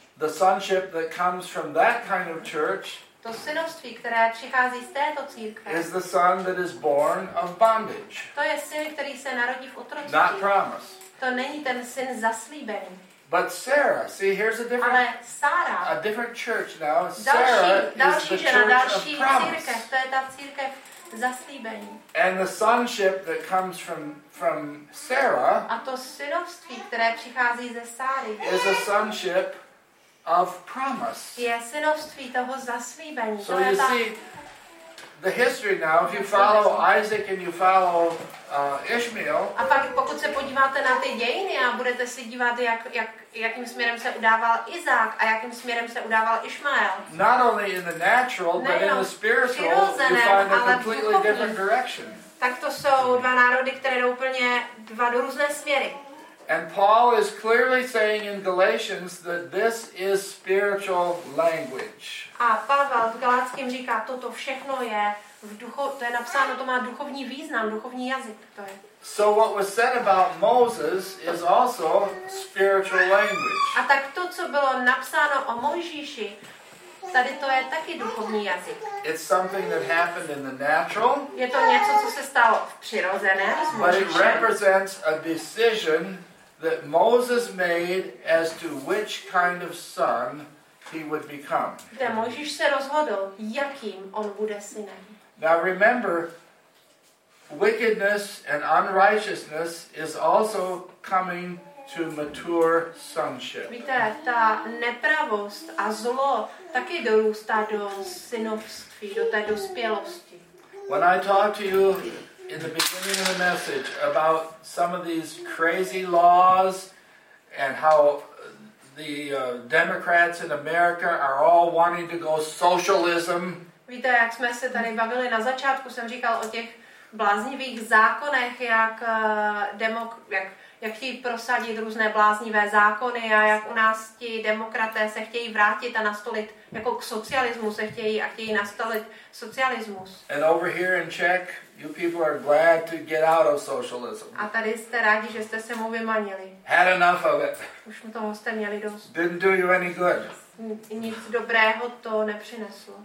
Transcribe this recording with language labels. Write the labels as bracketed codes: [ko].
[en] The sonship that comes from that kind of church. [cs] To synovství, které přichází z této církve. [en] Is the son that is born of bondage. [cs] To je syn, který se narodí v otroctví. [en] Not promise. [cs] To není ten syn zaslíbený. [en] But Sarah, see, here's a different Sarah, a different church now. Sarah is the church of promise. And the sonship that comes from Sarah. [cs] A to synovství, které přichází ze Sáry. [en] Is a sonship of promise. [cs] Je synovství toho zaslíbení. [en] So you see, the history now, if you follow Isaac and you follow Ishmael. [cs] A pak pokud se podíváte na ty dějiny a budete se dívat, jakým směrem se udával Izák a jakým směrem se udával Ishmael. [en] Not only in the natural, but in the spiritual, you find a completely different direction. [cs] Tak to jsou dva národy, které jdou úplně dva do různé směry. [en] And Paul is clearly saying in Galatians that this is spiritual language. [cs] A Pavel v Galackém říká, toto všechno je v duchu, to je napsáno, to má duchovní význam, duchovní jazyk, to je. [en] So what was said about Moses is also spiritual language. [cs] A tak to, co bylo napsáno o Mojžíši, tady to je taky duchovní jazyk. [en] It's something that happened in the natural. [cs] Je to něco, co se stalo v přirozeném. [en] But it represents a decision that Moses made as to which kind of son he would become. [cs] Kde Mojžíš se rozhodl, jakým on bude synem. [en] Now remember, wickedness and unrighteousness is also coming to mature sonship. [cs] Víte, ta nepravost a zlo taky dorůstá do synovství, do té dospělosti. [en] When I talk to you in the beginning of the message about some of these crazy laws and how the Democrats in America are all wanting to go socialism. [cs] Víte, jak jsme se tady bavili na začátku, jsem říkal o těch bláznivých zákonech, jak chtějí prosadit různé bláznivé zákony a jak u nás ti demokraté se chtějí vrátit a nastolit, jako k socialismu se chtějí a chtějí nastolit socialismus. [en] And over here in Czech, you people are glad to get out of socialism. [cs] A tady jste rádi, že jste se mu vymanili. [en] Had enough of it. [cs] Už mu toho jste měli dost. [en] Didn't do you any good. [cs] Nic dobrého to nepřineslo.